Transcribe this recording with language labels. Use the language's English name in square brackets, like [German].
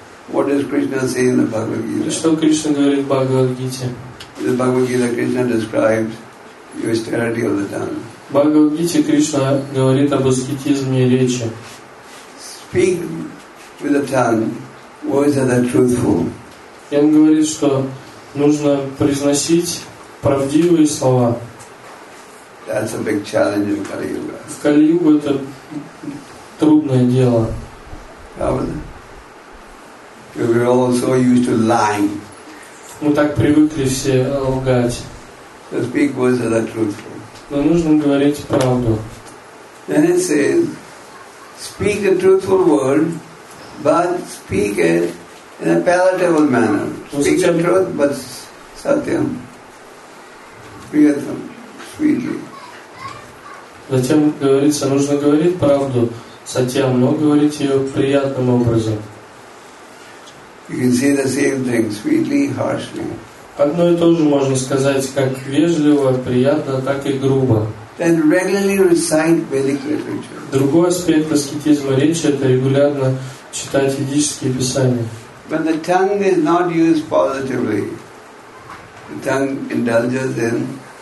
[English] What does Krishna say in the Bhagavad Gita? [Russian] Что Кришна говорит в Бхагавад Гите? [English] In the Bhagavad Gita, Krishna describes the austerity of the tongue. [Russian] В Бхагавад Гите Кришна говорит об аскетизме речи. [English] Speak with the tongue. Words are truthful. [Russian] И он говорит, что нужно произносить правдивые слова. [English] That's a big challenge in Kali Yuga. [Russian] В Кали Юге это трудное дело. [English] We were all so used to lying. [Russian] Мы так привыкли все лгать. [English] So speak words that are truthful. [Russian] Но нужно говорить правду. [English] Then it says, speak a truthful word, but speak it in a palatable manner. Speak the truth, but satyam. Speak it sweetly. [Russian] Затем говорится, нужно говорить правду сатьям, но говорить ее приятным образом. [English] You can say the same thing sweetly, harshly. [Russian] Одно и то же можно сказать как вежливо, приятно, так и грубо. [English] Then regularly recite Vedic literature. [Russian] Другой аспект аскетизма речи – это регулярно читать ведические писания. [English] But the tongue is not used positively. The tongue indulges in.